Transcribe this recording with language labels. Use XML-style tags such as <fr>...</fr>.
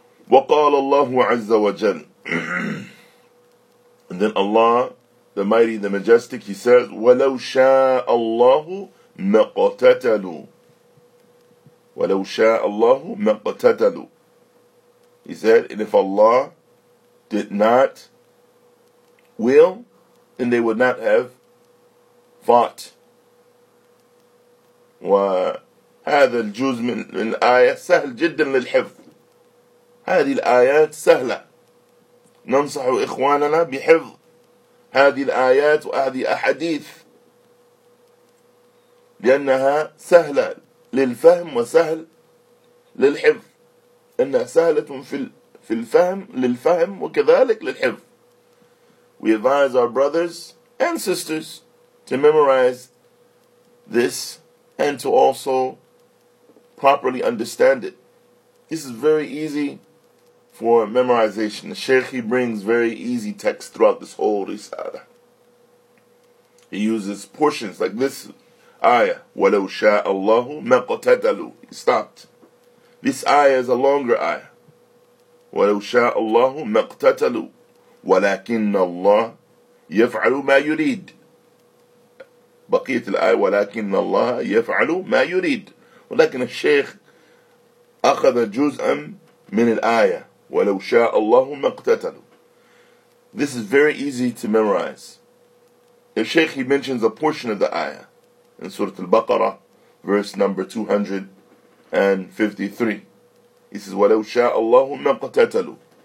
<ar>وقال الله عز وجل</ar> <en>And then Allah, the Mighty, the Majestic, He says,</en> <ar>وَلَوْ شَاءَ اللَّهُ مَقْتَتَلُوا</ar> <en>وَلَوْ شَاءَ اللَّهُ مَقْتَتَلُوا He said, and if Allah did not will, then they would not have fought.</en> <ar>وهذا الجزء من الآية سهل جدا للحفظ. هذه الآيات سهلة ننصح إخواننا بحفظ هذه الآيات وهذه الأحاديث لأنها سهلة للفهم وسهل للحفظ. إنها سهلة في الفهم للفهم وكذلك للحفظ.</ar> <en>We advise our brothers and sisters to memorize this and to also properly understand it. This is very easy for memorization. The Sheikh, he brings very easy text throughout this whole risala. He uses portions like this ayah,</en> <ar>وَلَوْ شَاءَ اللَّهُ مَا قَتَتَلُوا.</ar> <en>He stopped. This ayah is a longer ayah.</en> <ar>وَلَوْ شَاءَ اللَّهُ مَا قَتَتَلُوا وَلَكِنَّ اللَّهَ يَفْعَلُ مَا يُرِيدُ. بقيت الآية وَلَكِنَّ اللَّهَ يَفْعَلُ مَا يُرِيدُ. ولكن الشيخ أخذ جزءا من الآية وَلَوْ شَاءَ اللَّهُ مَا قَتَتَلُوا.</ar> <en>This is very easy to memorize. The Sheikh, he mentions a portion of the ayah in Surah Al-Baqarah, verse number 253. He says,</en> <ar>وَلَوْ شَاءَ اللَّهُ مَا قَتَتَلُوا.</ar>